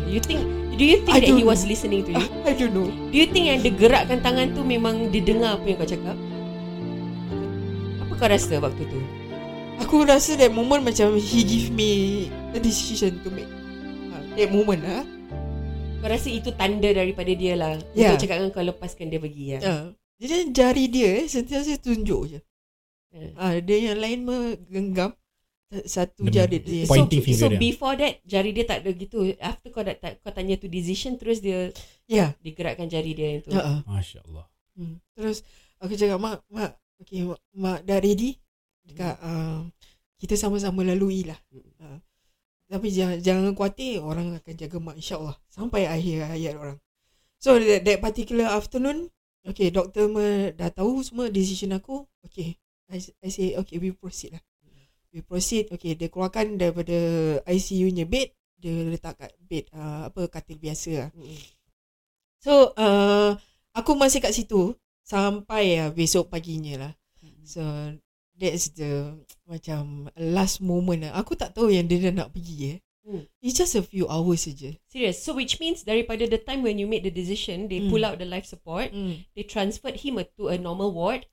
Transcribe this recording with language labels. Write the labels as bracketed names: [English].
[English] Do you think that he was listening to you? I don't know. Do you think [Malay] yang dia gerakkan tangan tu memang dia dengar apa yang kau cakap? Apa kau rasa waktu tu? Aku rasa [English] that moment [Malay] macam [English] he give me the decision to make. That moment lah. [Malay] Kau rasa itu tanda daripada dia lah. Untuk cakap dengan kau, lepaskan dia pergi. Jadi jari dia sentiasa tunjuk je. Dia yang lain menggenggam satu jari dia. [English] So before that [Malay] jari dia tak ada gitu. [English] After [Malay] kau dah, kau tanya tu decision, terus dia digerakkan jari dia itu. Masya-Allah. Terus aku cakap mak, okey mak dah ready. Dekat kita sama-sama lalui lah. Tapi jangan khawatir, orang akan jaga mak insya-Allah sampai akhir hayat orang. [English] So that particular afternoon, [Malay] okay, doktor dah tahu semua decision aku. [English] Okay, I say, okay, we proceed lah. We proceed, okay, [Malay] dia keluarkan daripada [English] ICU-nya bed. [Malay] Dia letak kat bed, katil biasa lah. So, aku masih kat situ sampai besok paginya lah. [English] So, that's the [Malay] macam [English] last moment lah. [Malay] Aku tak tahu yang dia nak pergi . [English] It's just a few hours [Malay] saja. [English] Serious. So which means daripada the time when you made the decision, they pull out the life support, they transferred him to a normal ward.